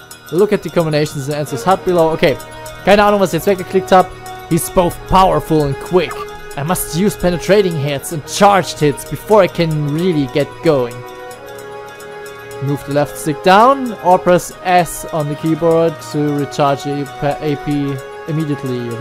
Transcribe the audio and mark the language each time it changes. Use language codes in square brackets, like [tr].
[en] Look at the combinations in Enzos HUD below. [de] Okay, keine Ahnung, was ich jetzt weggeklickt habe. [en] He's both powerful and quick. I must use penetrating hits and charged hits before I can really get going. Move the left stick down or press S on the keyboard to recharge your AP immediately.